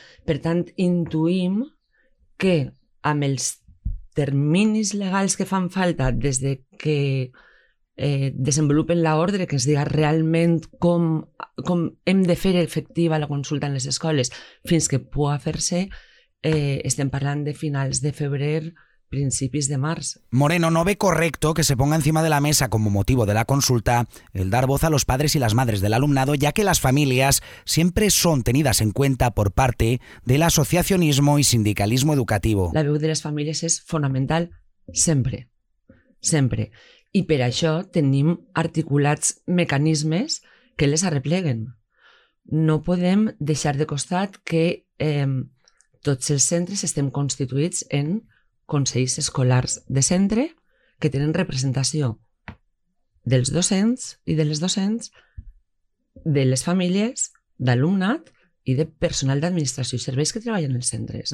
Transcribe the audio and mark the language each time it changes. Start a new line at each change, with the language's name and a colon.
Catalan: Per tant, intuïm que amb els terminis legals que fan falta des de que desenvolupen l'ordre, que es diga realment com hem de fer efectiva la consulta en les escoles fins que pugui fer-se, estem parlant de finals de febrer, principis de març.
Spanish: Moreno, no ve correcto que se ponga encima de la mesa como motivo de la consulta el dar voz a los padres y las madres del alumnado, ya que las familias siempre son tenidas en cuenta por parte del asociacionismo y sindicalismo educativo.
Catalan: La veu de les famílies és fonamental sempre, sempre. I per això tenim articulats mecanismes que les arrepleguen. No podem deixar de costat que tots els centres estem constituïts en consells escolars de centre que tenen representació dels docents i de les docents, de les famílies, d'alumnat i de personal d'administració i serveis que treballen als centres.